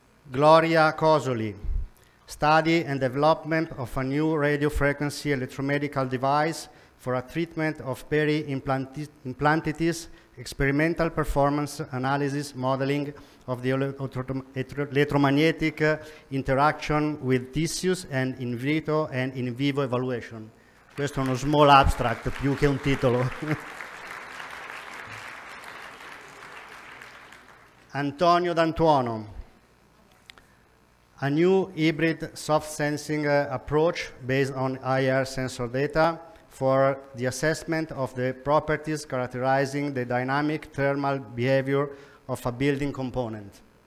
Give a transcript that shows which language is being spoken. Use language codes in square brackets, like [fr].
[en] Gloria Cosoli, study and development of a new radio frequency electromedical device for a treatment of peri-implantitis, experimental performance analysis modeling of the electromagnetic interaction with tissues and in vitro and in vivo evaluation. [it] Questo è uno [en] small abstract [it] più che un titolo. [en] Antonio D'Antuono, a new hybrid soft sensing approach based on IR sensor data for the assessment of the properties characterizing the dynamic thermal behavior of a building component.